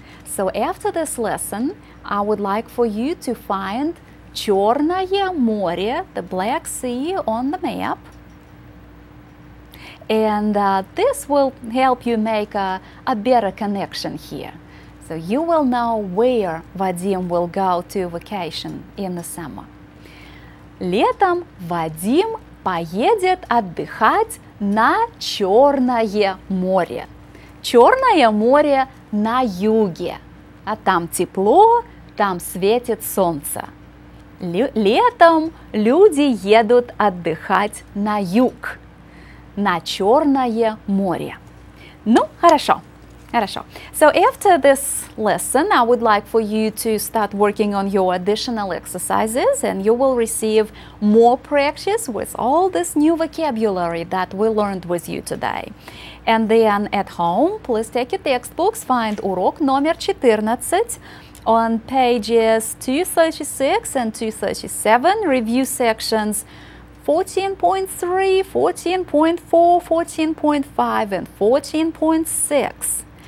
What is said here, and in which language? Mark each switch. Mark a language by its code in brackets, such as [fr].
[en] So after this lesson, I would like for you to find Черное море, the Black Sea on the map. And this will help you make a better connection here. So you will know where Vadim will go to vacation in the summer. [ru] Летом Вадим поедет отдыхать на Черное море. Черное море на юге. А там тепло, там светит солнце. Летом люди едут отдыхать на юг, на Черное море. Ну, хорошо. Хорошо. [en] So after this lesson, I would like for you to start working on your additional exercises, and you will receive more practice with all this new vocabulary that we learned with you today. And then at home, please take your textbooks, find [ru] урок номер 14 [en] on pages 236 and 237, review sections 14.3, 14.4, 14.5, and 14.6.